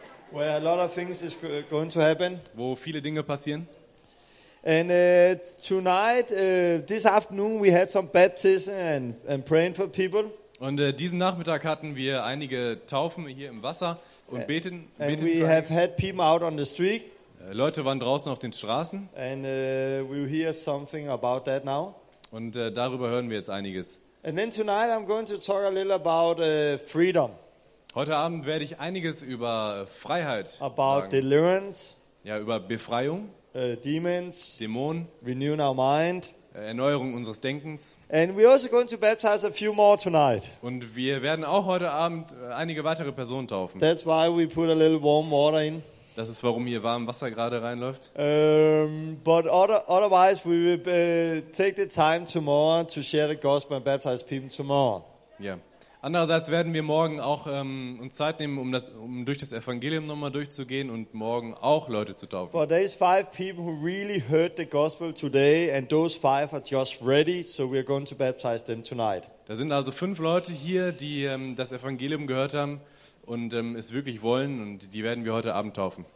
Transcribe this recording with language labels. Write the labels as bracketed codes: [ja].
[en] where a lot of things is going to happen. [de] Wo viele Dinge passieren. [en] And this afternoon we had some baptism and praying for people. [de] Und diesen Nachmittag hatten wir einige Taufen hier im Wasser und beten. [en] And we have had people out on the street. [de] Leute waren draußen auf den Straßen. [en] And we'll hear something about that now. [de] Und darüber hören wir jetzt einiges. [en] And then tonight I'm going to talk a little about freedom. [de] Heute Abend werde ich einiges über Freiheit [en] about [de] sagen. [en] Deliverance. [de] Ja, über Befreiung. [en] Demons. [de] Dämonen. [en] Renewing our mind. [de] Erneuerung unseres Denkens. [en] And we're also going to baptize a few more tonight. [de] Und wir werden auch heute Abend einige weitere Personen taufen. [en] That's why we put a little warm water in. [de] Das ist, warum hier warm Wasser gerade reinläuft. [en] But otherwise we will take the time tomorrow to share the gospel and baptize people tomorrow. [de] Ja. Andererseits werden wir morgen auch uns Zeit nehmen, um durch das Evangelium nochmal durchzugehen und morgen auch Leute zu taufen. [en] But there is 5 people who really heard the gospel today and those 5 are just ready, so we are going to baptize them tonight. [de] Da sind also 5 Leute hier, die das Evangelium gehört haben und es wirklich wollen und die werden wir heute Abend taufen.